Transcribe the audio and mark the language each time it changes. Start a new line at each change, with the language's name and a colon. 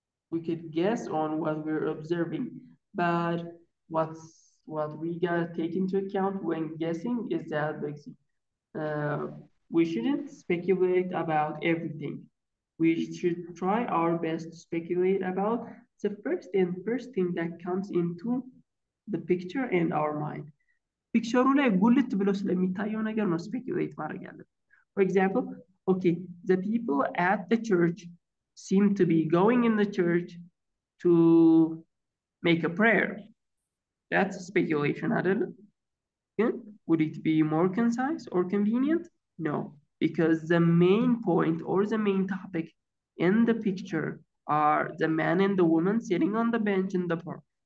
English: We could guess on what we're observing, but what we gotta take into account when guessing is that we shouldn't speculate about everything. We should try our best to speculate about the first thing that comes into the picture and our mind.
Amharic: Picture ላይ ጉልት ብሎ ስለሚታየው ነገር ነው speculate ማድረግ ያለብን.
English: For example, okay, the people at the church seem to be going in the church to make a prayer. That's speculation, adult. Would it be more concise or convenient? No, because the main point or the main topic in the picture are the man and the woman sitting on the bench in the park.